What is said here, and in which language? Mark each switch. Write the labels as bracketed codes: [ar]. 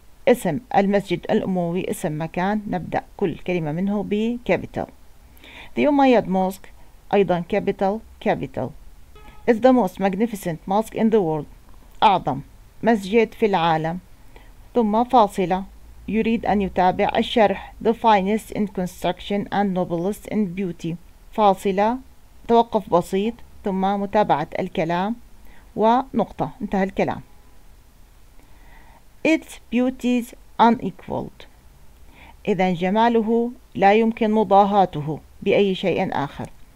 [ar] اسم المسجد الأموي اسم مكان، نبدأ كل كلمة منه بكابيتال. [en] the Umayyad mosque [ar] أيضا [en] Capital capital. is the most magnificent mosque in the world، [ar] أعظم مسجد في العالم. ثم فاصلة، يريد أن يتابع الشرح. [en] The finest in construction and noblest in beauty. [ar] فاصلة، توقف بسيط، ثم متابعة الكلام ونقطة، انتهى الكلام. [en] Its beauty is unequaled. [ar] إذن جماله لا يمكن مضاهاته بأي شيء آخر.